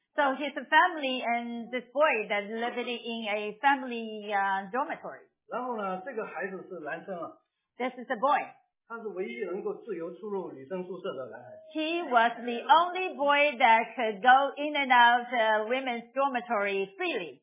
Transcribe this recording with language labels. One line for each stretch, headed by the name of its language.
English: So his family and this boy that lived in a family dormitory.
Chinese: 然后呢，这个孩子是男生啊。
English: This is a boy.
Chinese: 他是唯一能够自由出入女生宿舍的男孩。
English: He was the only boy that could go in and out women's dormitory freely.